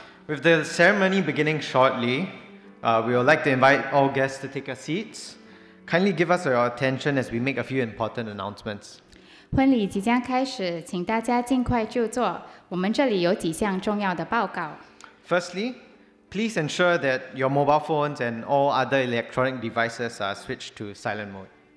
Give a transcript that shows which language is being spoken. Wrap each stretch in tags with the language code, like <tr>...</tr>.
<en>With the ceremony beginning shortly, we would like to invite all guests to take your seats. Kindly give us your attention as we make a few important announcements.</en> <zh>婚礼即将开始, 请大家尽快就坐, 我们这里有几项重要的报告.</zh> <en>Firstly, please ensure that your mobile phones and all other electronic devices are switched to silent mode.</en>